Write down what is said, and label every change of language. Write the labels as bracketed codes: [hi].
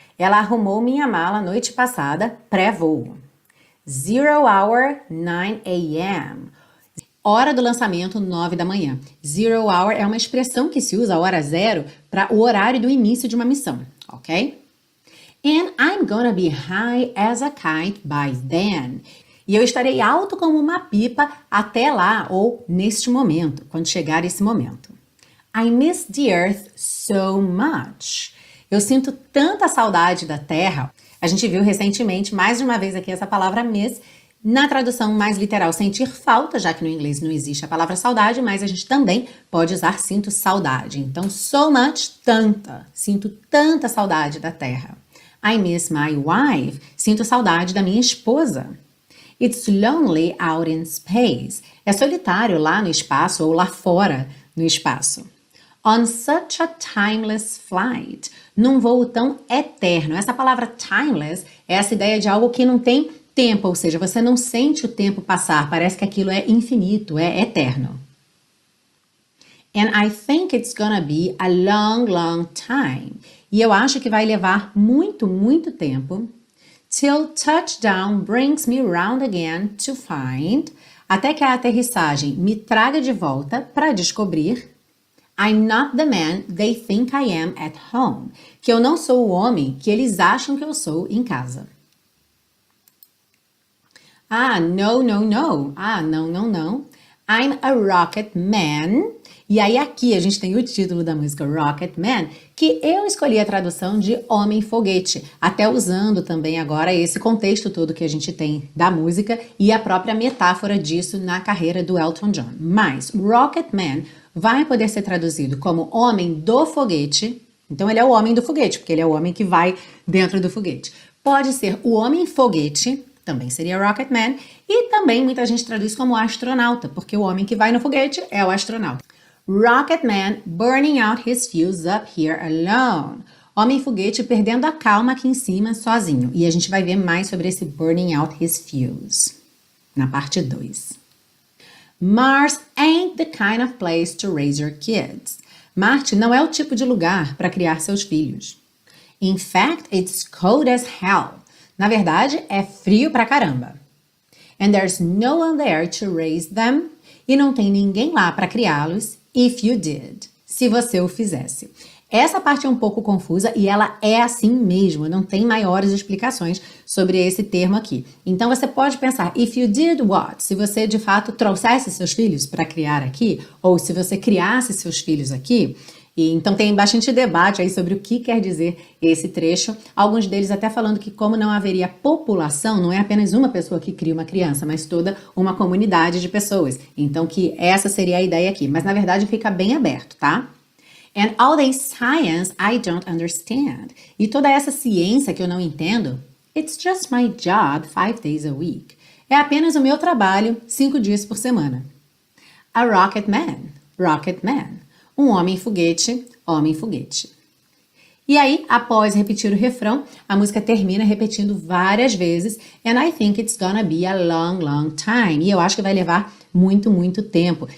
[pt] Ela arrumou minha mala noite passada pré-voo. [en] 0 hour 9 a.m. [pt] Hora do lançamento, 9 da manhã. 0 hour é uma expressão que se usa, hora zero, para o horário do início de uma missão, ok? [en] And I'm gonna be high as a kite by then. [pt] E eu estarei alto como uma pipa até lá, ou neste momento, quando chegar esse momento. [en] I miss the earth so much. [pt] Eu sinto tanta saudade da terra. A gente viu recentemente, mais de uma vez aqui, essa palavra miss, na tradução mais literal, sentir falta, já que no inglês não existe a palavra saudade, mas a gente também pode usar sinto saudade. Então, [en] so much, [pt] tanta. Sinto tanta saudade da terra. [en] I miss my wife. [pt] Sinto saudade da minha esposa. [en] It's lonely out in space. [pt] É solitário lá no espaço ou lá fora no espaço. [en] On such a timeless flight. [pt] Num voo tão eterno. Essa palavra timeless é essa ideia de algo que não tem tempo, ou seja, você não sente o tempo passar, parece que aquilo é infinito, é eterno. [en] And I think it's gonna be a long, long time. [pt] E eu acho que vai levar muito, muito tempo. [en] Till touchdown brings me round again to find. [pt] Até que a aterrissagem me traga de volta para descobrir. [en] I'm not the man they think I am at home. [pt] Que eu não sou o homem que eles acham que eu sou em casa. [en] Ah, no, no, no. [pt] Ah, não, não, não. [en] I'm a rocket man. [pt] E aí aqui a gente tem o título da música Rocket Man, que eu escolhi a tradução de homem foguete, até usando também agora esse contexto todo que a gente tem da música e a própria metáfora disso na carreira do Elton John. Mas Rocket Man vai poder ser traduzido como homem do foguete. Então ele é o homem do foguete, porque ele é o homem que vai dentro do foguete. Pode ser o homem foguete. Também seria Rocket Man, e também muita gente traduz como astronauta, porque o homem que vai no foguete é o astronauta. [en] Rocket Man burning out his fuse up here alone. [pt] Homem foguete perdendo a calma aqui em cima sozinho. E a gente vai ver mais sobre esse [en] burning out his fuse [pt] na parte 2. [en] Mars ain't the kind of place to raise your kids. [pt] Marte não é o tipo de lugar para criar seus filhos. [en] In fact, it's cold as hell. [pt] Na verdade, é frio pra caramba. [en] And there's no one there to raise them. [pt] E não tem ninguém lá para criá-los. [en] If you did. [pt] Se você o fizesse. Essa parte é um pouco confusa e ela é assim mesmo. Não tem maiores explicações sobre esse termo aqui. Então você pode pensar: [en] if you did what? [pt] Se você de fato trouxesse seus filhos para criar aqui, ou se você criasse seus filhos aqui. Então tem bastante debate aí sobre o que quer dizer esse trecho. Alguns deles até falando que como não haveria população, não é apenas uma pessoa que cria uma criança, mas toda uma comunidade de pessoas. Então que essa seria a ideia aqui. Mas na verdade fica bem aberto, tá? [en] And all this science I don't understand. [pt] E toda essa ciência que eu não entendo. [en] It's just my job 5 days a week. [pt] É apenas o meu trabalho 5 dias por semana. [en] A rocket man, rocket man. [pt] Um homem foguete, homem foguete. E aí, após repetir o refrão, a música termina repetindo várias vezes, [en] and I think it's gonna be a long, long time. [pt] E eu acho que vai levar muito, muito tempo.